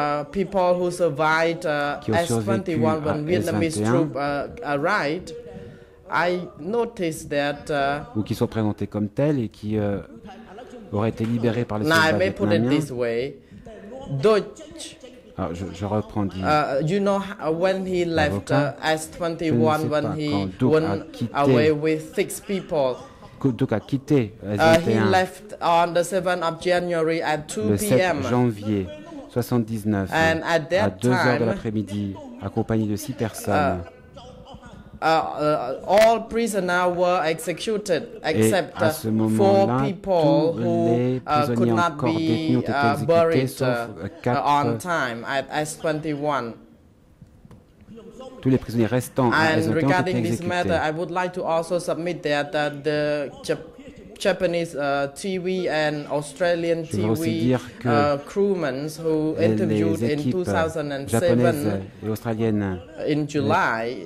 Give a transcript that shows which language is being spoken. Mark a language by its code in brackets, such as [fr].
[en] people who survived S21 when Vietnamese troops arrived. I noticed that [fr] ou qui sont présentés comme tels et qui auraient été libérés par les soldats vietnamiens. [en] Now I may put it this way. Deutsch. [fr] Alors, je reprends. [en] You know when he left S21 when he went away with six people. [fr] Duke a quitté S21. [en] He left on the 7th of January at 2 p.m. [fr] Le 7 janvier 79. [en] And at that [fr] à 2 heures de l'après-midi, accompagné de six personnes. [en] All prisoners were executed except four people who could not be buried on time at S21. [fr] Tous les prisonniers restants [en] and regarding this matter, I would like to also submit that the Japanese TV and Australian TV crewmen who interviewed in 2007 in July,